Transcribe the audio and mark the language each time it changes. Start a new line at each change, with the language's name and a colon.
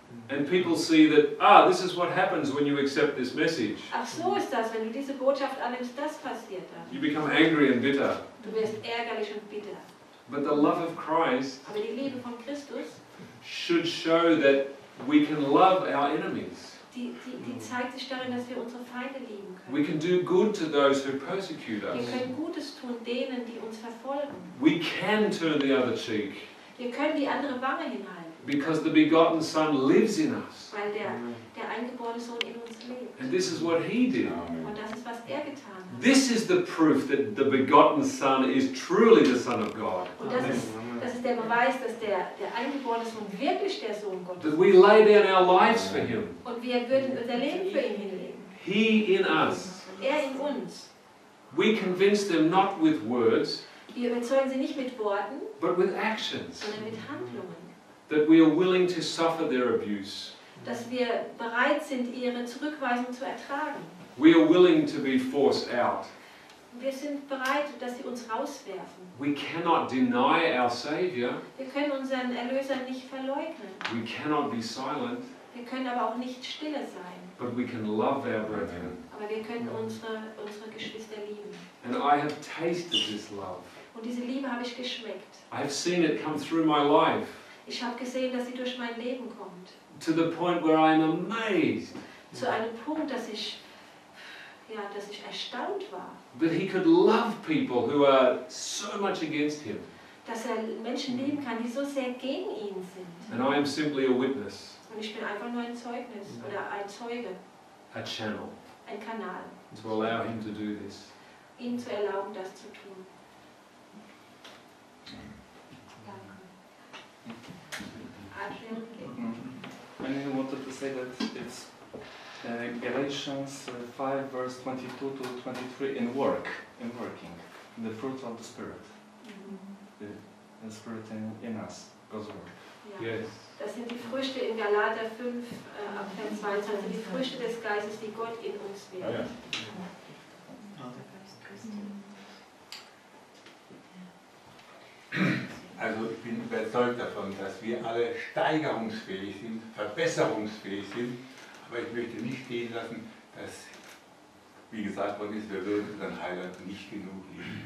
English: And people see that, this is what happens when you accept this message.
German: Ach, so ist das, wenn du diese Botschaft annimmst, das passiert dann.
English: You become angry and bitter.
German: Du wirst ärgerlich und bitter.
English: But the love of Christ,
German: aber die Liebe von Christus,
English: should show that we can love our enemies.
German: Die zeigt sich darin, dass wir unsere Feinde lieben können.
English: We can do good to those who persecute us.
German: Wir können Gutes tun denen, die uns verfolgen.
English: We can turn the other cheek.
German: Wir können die andere Wange hinhalten.
English: Because the begotten Son lives in us.
German: Weil der eingeborene Sohn in uns lebt.
English: And this is what he did.
German: Und das ist, was er getan hat.
English: This is the proof that the begotten Son is truly the Son of God.
German: Und das ist der Beweis, dass der eingeborene Sohn wirklich der Sohn Gottes ist.
English: That we lay down our lives for him.
German: Und wir würden unser Leben für ihn hinlegen.
English: He in us.
German: Er in uns.
English: We convince them not with words.
German: Wir überzeugen sie nicht mit Worten,
English: but with actions,
German: sondern mit Handlungen.
English: That we are willing to suffer their abuse.
German: Dass wir bereit sind, ihre Zurückweisung zu ertragen.
English: We are willing to be forced out.
German: Wir sind bereit, dass sie uns rauswerfen.
English: We cannot deny our Savior.
German: Wir können unseren Erlöser nicht verleugnen.
English: We cannot be silent.
German: Wir können aber auch nicht stille sein.
English: But we can love our brethren.
German: Aber wir können unsere Geschwister lieben.
English: And I have tasted this love.
German: Und diese Liebe habe ich geschmeckt.
English: I have seen it come through my life.
German: Ich habe gesehen, dass sie durch mein Leben kommt.
English: To the point where I am amazed.
German: Zu einem Punkt, dass ich erstaunt war.
English: That he could love people who are so much against him.
German: Dass er Menschen lieben kann, die so sehr gegen ihn sind.
English: And I am simply a witness.
German: Und ich bin einfach nur ein Zeugnis oder ein Zeuge.
English: A channel.
German: Ein Kanal.
English: To allow him to do this.
German: Ihm zu erlauben, das zu tun.
English: I only wanted to say that it's Galatians 5, verse 22 to 23, in working, the fruit of the Spirit, the Spirit in us, God's work.
German: Das sind die Früchte in Galater 5, ab Vers 22, die Früchte des Geistes, die Gott in uns wirkt. Ja. Also ich bin überzeugt davon, dass wir alle steigerungsfähig sind, verbesserungsfähig sind, aber ich möchte nicht stehen lassen, dass, wie gesagt worden ist, wir würden unseren Heiland nicht genug lieben.